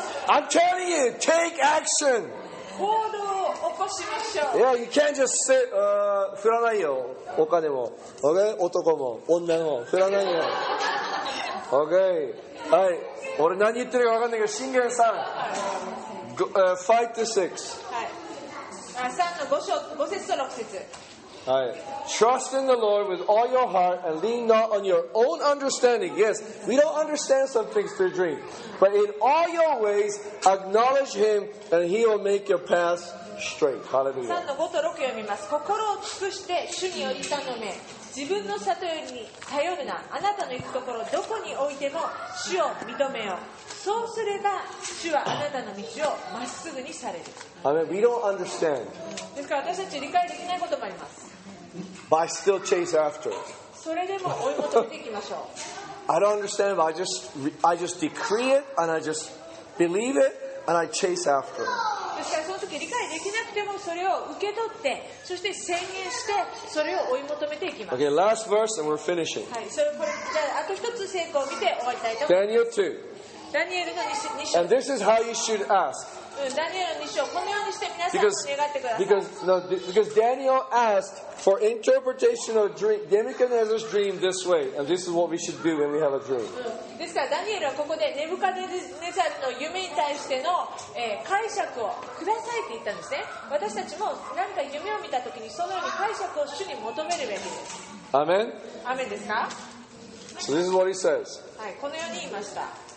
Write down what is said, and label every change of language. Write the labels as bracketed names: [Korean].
[English] I'm telling you, take action! [Japanese] 行動を起こしましょう。 [English] Yeah, you can't just sit, [Japanese] 振らないよ、お金も。 [English] OK? [Japanese] 男も、女も、振らないよ。OK? はい、俺何言ってるか分かんないけど、シングルさん。 [English] 5-6 Trust in the Lord with all your heart and lean not on your own understanding. Yes, we don't understand some things through dream. But in all your ways, acknowledge Him and He will make your path straight. Hallelujah. [Japanese] 3-5-6読みます。心を尽くして主に頼め。自分の悟りに頼るな。あなたの行くところどこに置いても主を認めよう。そうすれば主はあなたの道をまっすぐにされる。 [English] I mean, we don't understand. [Japanese] ですから私たち理解できないこともあります。 [English] But I still chase after. [Japanese] それでも追い求めていきましょう。 [English] I don't understand, but I just decree it and I just believe it and I chase after it. [Japanese] ですからその時理解できなくてもそれを受け取って、そして宣言してそれを追い求めていきます。 [English] Okay, last verse and we're finishing. [Japanese] はい、それこれじゃあと一つ成功を見て終わりたいと思います [English] 。 Daniel 2. [Japanese] ダニエルの2章。 [English] And this is how you should ask. [Japanese] ダニエルの2章、このようにして皆さん願ってください。 [English] Because Daniel askedFor interpretation of dream, Nebuchadnezzar's dream this way, and this is what we should do when we have a dream. [Japanese] ですからダニエルはここでネブカデネザルの夢に対しての、解釈をくださいって言ったんですね。私たちも何か夢を見たときにそのように解釈を主に求めるべきです。 [English] Amen. [Japanese] Amen ですか。 [English] So this is what he says. [Japanese] はい、このように言いました。